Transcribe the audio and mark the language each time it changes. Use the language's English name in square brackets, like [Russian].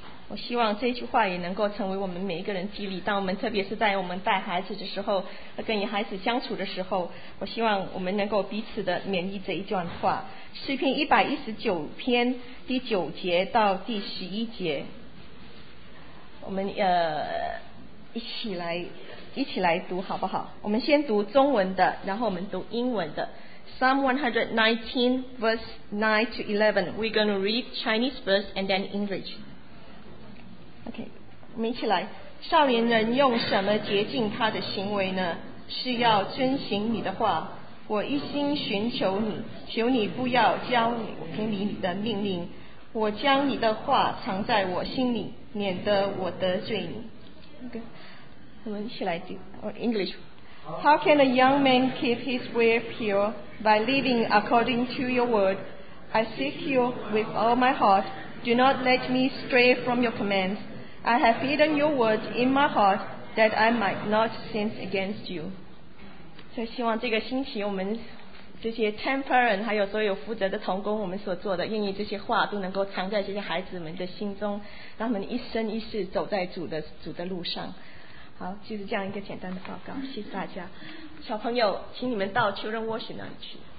[Chinese] 我希望这句话也能够成为我们每一个人激励，当我们特别是在我们带孩子的时候，跟与孩子相处的时候，我希望我们能够彼此的勉励这一段话。诗篇119篇第9节到第11节，我们一起来读好不好？我们先读中文的，然后我们读英文的。 [English] Psalm 119 verse 9 to 11， We're going to read Chinese verse and then English。 [Chinese] OK， 我们一起来。少年人用什么洁净他的行为呢？是要遵行你的话。我一心寻求你，求你不要教你我听你的命令。我将你的话藏在我心里，免得我得罪你。Okay. 我们一起来读 English。 [English] How can a young man keep his way pure? By living according to your word. I seek you with all my heart. Do not let me stray from your commands. I have hidden your words in my heart, that I might not sin against you. [Chinese] 所以希望这个星期我们这些 temperance 还有所有负责的同工，我们所做的愿意这些话都能够藏在这些孩子们的心中，让他们一生一世走在主的路上。好，就是这样一个简单的报告，谢谢大家。小朋友请你们到 children worship 那里去。